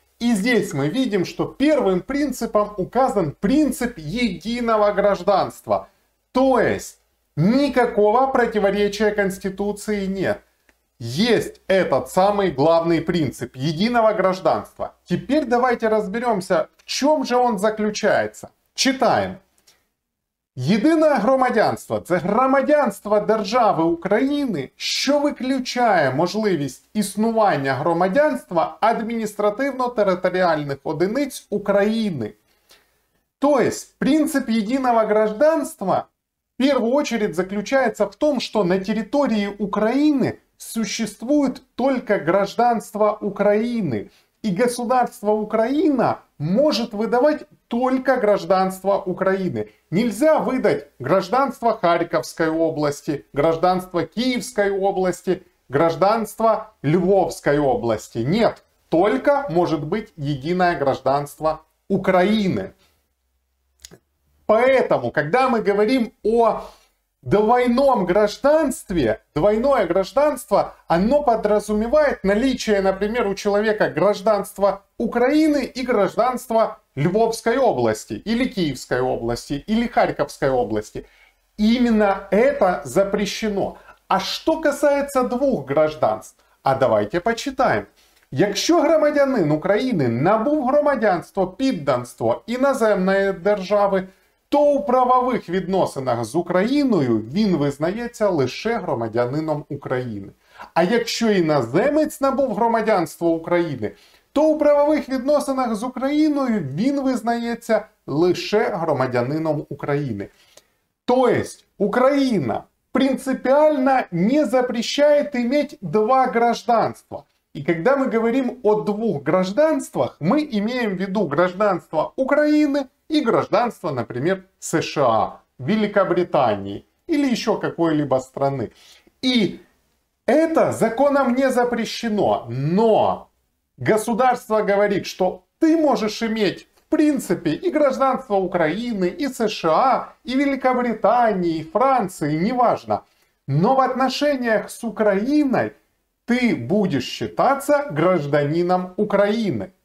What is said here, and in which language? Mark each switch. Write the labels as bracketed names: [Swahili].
[Russian] И здесь мы видим, что первым принципом указан принцип единого гражданства. То есть, никакого противоречия Конституции нет. Есть этот самый главный принцип единого гражданства. Теперь давайте разберемся, в чем же он заключается. Читаем. [Ukrainian] Єдине громадянство – це громадянство держави України, що виключає можливість існування громадянства адміністративно-територіальних одиниць України. Тобто, принцип єдиного громадянства в першу чергу заключається в тому, що на території України існує тільки громадянство України, і государство Україна може видавати [Russian] только гражданство Украины. Нельзя выдать гражданство Харьковской области, гражданство Киевской области, гражданство Львовской области. Нет, только может быть единое гражданство Украины. Поэтому, когда мы говорим о двойном гражданстве, двойное гражданство, оно подразумевает наличие, например, у человека гражданства Украины и гражданства Львовской области, или Киевской области, или Харьковской области. Именно это запрещено. А что касается двух гражданств? А давайте почитаем. [Ukrainian] Якщо громадянин України набув громадянство, підданство іноземної держави, то у правових відносинах з Україною він визнається лише громадянином України. А якщо іноземець набув громадянство України, то у правових відносинах з Україною він визнається лише громадянином України. Тобто Україна принципіально не забороняє мати два громадянства. І коли ми говоримо про двох громадянствах, ми маємо в виду громадянство України і громадянство, наприклад, США, Великобританії, або ще якоїсь країни. І це законом не забороняє, але [Russian] государство говорит, что ты можешь иметь, в принципе, и гражданство Украины, и США, и Великобритании, и Франции, неважно. Но в отношениях с Украиной ты будешь считаться гражданином Украины.